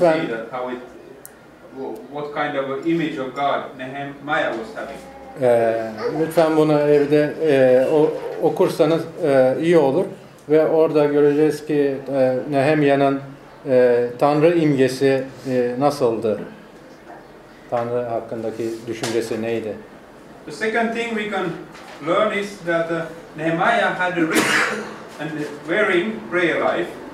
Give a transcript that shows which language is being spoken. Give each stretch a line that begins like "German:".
English: Will see that how it, what kind of image of God Nehemiah was having.
Turkish: Lütfen bunu evde okursanız iyi olur ve orada göreceğiz ki Nehemiah'nın Tanrı imgesi nasıldı? Tanrı hakkındaki düşüncesi neydi?
English: The second thing we can learn is that Nehemiah had a rich and varying prayer life.